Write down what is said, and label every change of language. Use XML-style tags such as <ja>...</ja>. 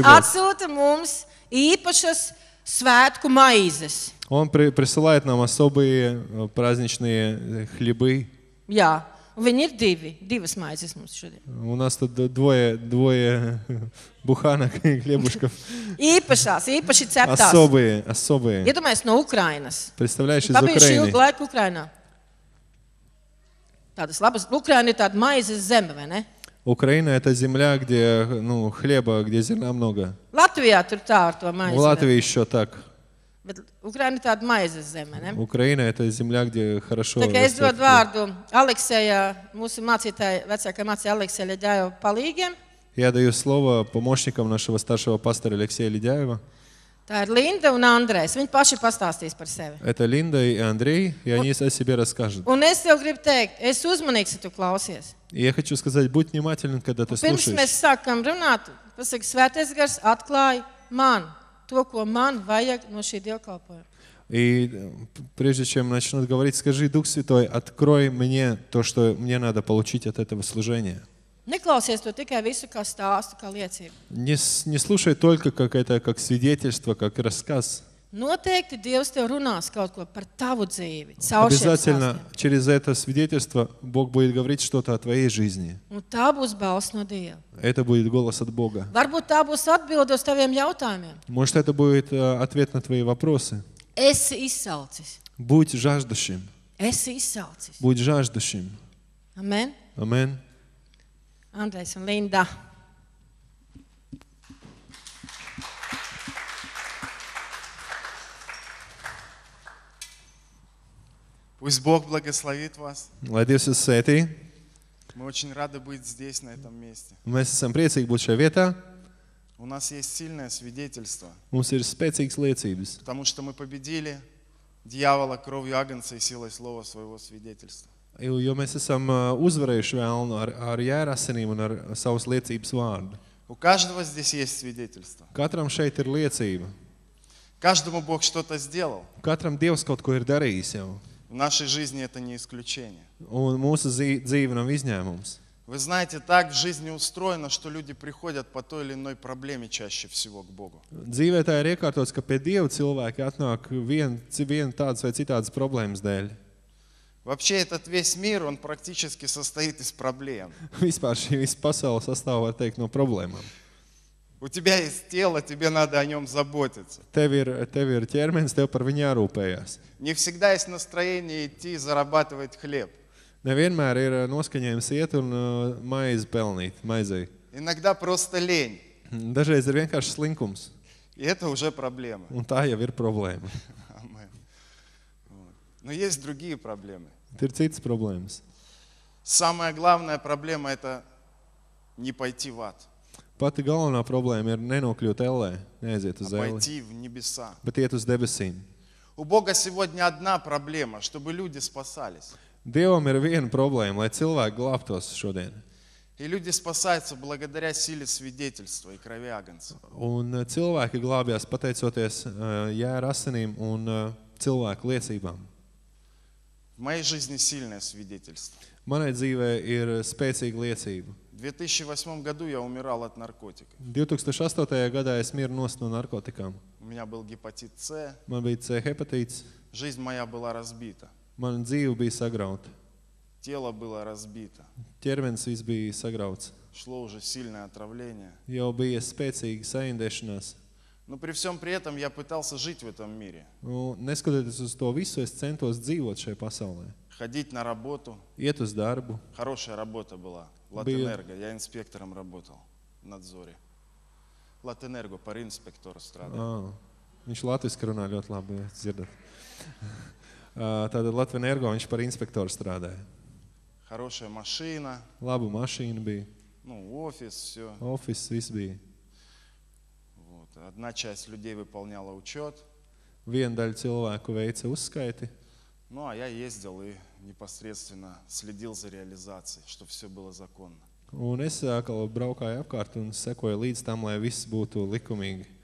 <lv>Viņš atsūta mums īpašas svētku maizes.</lv> <ru>Он присылает нам особые праздничные хлебы.</ru> <lv>Jā. Viņi ir divi. Divas maizes mums šodien.</lv> <ru>У нас тут двое буханок и хлебушков.</ru> <lv>Īpaši ceptās.</lv> <ru>Особые.</ru> <lv>Iedomājies no Ukrainas.</lv> <ru>Представляешь, из Украины.</ru> <lv>Pabiju šī laika Ukrainā. Tādas labas. Ukraina ir tāda maizes zeme, vai ne?</lv> <ru>Украина – это земля, где ну, хлеба, где зерна много. Латвия тур та, ар то maize. В Латвии еще так.</ru> <lv>Bet Ukraina ir tāda maizes zeme, ne?</lv> <ru>Ukraina – это земля, где хорошо.</ru> <lv>Tā kā es dodu vārdu Aleksēja, mūsu mācītāja, vecākā mācītāja Aleksēja Ļedājo palīgiem.</lv> <ru>Я даю слово помощникам нашего старшего пастора Алексея Ледяева.</ru> <lv>Tā ir Linda un Andrejs. Viņi paši pastāstīs par sevi.</lv> <ru>Это Линда и Андрей, и они о себе расскажут.</ru> <lv>Un es tev gribu teikt, es uzmanīgs, ja tu klausies.</lv> <ru>Я хочу сказать, будь внимателен, когда ты слушаешь.</ru> <lv>Pirms mēs sākam runāt, pasaka, Svētais Gars atklāj man to, ko man vajag no šī dievkalpojuma.</lv> <ru>И прежде чем начнут говорить, скажи, Дух Святой, открой мне то, что мне надо получить от этого служения.</ru> <lv>Neklausies to tikai visu kā stāstu, kā liecību.</lv> <ru>Neslušai tolka, kā это как свидетельство, как рассказ.</ru> <lv>Noteikti Dievs tev runās kaut ko par tavu dzīvi, caur šiem stāstiem.</lv> <ru>Через это свидетельство Бог будет говорить что-то о твоей жизни.</ru> <lv>Un tā būs balss no Dieva.</lv> <ru>Это будет голос от Бога.</ru> <lv>Varbūt tā būs atbilde uz taviem jautājumiem.</lv> <ru>Может это будет ответ на твои вопросы.</ru> <lv>Esi izsalcis.</lv> <ru>Будь жаждущим.</ru> <lv>Esi izsalcis.</lv> <ru>Будь жаждущим. Amen. Amen.</ru> <lv>Andrejs un Linda.</lv> <ru>Пусть Бог благословит вас. Ладиси сети. Мы очень рады быть здесь, на этом месте. Мы с вами приятно, как будто вета. У нас есть сильное свидетельство.</ru> <lv>Mums ir spēcīgs liecības.</lv> <ru>Потому что мы победили дьявола кровью Агнца и силой слова своего свидетельства.</ru> <lv>Jo mēs esam uzvarējuši vēlnu ar jērasinību un ar savas liecības vārdu.</lv> <ru>У каждого здесь есть свидетельство.</ru> <lv>Katram šeit ir liecība.</lv> <ru>Каждому Бог что-то сделал.</ru> <lv>Katram Dievs kaut ko ir darījis jau.</lv> <ru>В нашей жизни это не исключение.</ru> <lv>Un mūsu dzīve nav izņēmums.</lv> <ru>Вы знаете, так в жизни устроено, что люди приходят по той или иной проблеме чаще всего к Богу.</ru> <lv>Dzīvē tā ir iekārtots, ka pie Dieva cilvēki atnāk vien tādas vai citādas problēmas dēļ.</lv> <ru>Вообще этот весь мир, он практически состоит из проблем.</ru> <lv>Vispār šī visa pasaule sastāv, var teikt, no problēmām.</lv> <ru>У тебя есть тело, тебе надо о нём заботиться.</ru> <lv>Tev ir ķermenis, tev par viņu jārūpējās.</lv> <ru>Не всегда есть настроение идти зарабатывать хлеб.</ru> <lv>Nevienmēr ir noskaņojums iet un maizi pelnīt, maizei.</lv> <ru>Иногда просто лень.</ru> <lv>Dažreiz ir vienkārši slinkums.</lv> <ru>И это уже проблема.</ru> <lv>Un tā jau ir problēma.</lv> <ru>Но есть другие проблемы. Ты цитишь проблемы. Самая главная проблема это не пойти в ад.</ru> <lv>Pati galvenā problēma ir nenokļūt ellē, neaiziet uz</lv> <ru>elli. Пойти в небеса.</ru> <lv>Bet iet uz debesīm.</lv> <ru>У Бога сегодня одна проблема, чтобы люди спасались.</ru> <lv>Dievam ir viena problēma, lai cilvēki glābtos šodien.</lv> <ru>И люди спасаются благодаря силе свидетельства и крови Агнца.</ru> <lv>Un cilvēki glābjas pateicoties jēra asinīm un cilvēku liecībām.</lv> <ru>В моей жизни сильное свидетельство.</ru> <lv>Manai dzīvē ir spēcīga liecība.</lv> <ru>2008 году я умирал от наркотиков.</ru> <lv>2008. Gadā es miru nost no narkotikām.</lv> <ru>У меня был гепатит С.</ru> <lv>Man bija C hepatīts.</lv> <ru>Жизнь моя была разбита.</ru> <lv>Mana dzīve bija sagrauta.</lv> <ru>Тело было разбито.</ru> <lv>Ķermenis viss bija sagrauts.</lv> <ru>Шло уже сильное отравление.</ru> <lv>Jau bija spēcīga saindēšanās.</lv> <ru>Но при всём при этом я пытался жить в этом мире.</ru> <lv>Ну, neskatoties uz to visu, es centos dzīvot šajā pasaulē.</lv> <ru>Ходить на работу.</ru> <lv>Iet uz darbu.</lv> <ru>Хорошая работа была. Латэнерго. Я инспектором работал в надзоре.</ru> <lv>Латэнерго, par inspektoru strādāju. Viņš latviski runā ļoti labi, dzirdat. Tātad Latvenergo, viņš par inspektoru strādāja.</lv> <ru>Хорошая машина.</ru> <lv>Laba mašīna bija.</lv> <ru>Ну, офис, всё.</ru> <lv>Офис viss bija.</lv> <ru>Одна часть людей выполняла учёт.</ru> <lv>Vien daļa cilvēku veica uzskaiti.</lv> <ru>Ну, а я ездил и непосредственно следил за реализацией, чтобы всё было законно.</ru> <lv>Un es atkal braukāju apkārt un sekoju līdz tam, lai viss būtu likumīgi.</lv>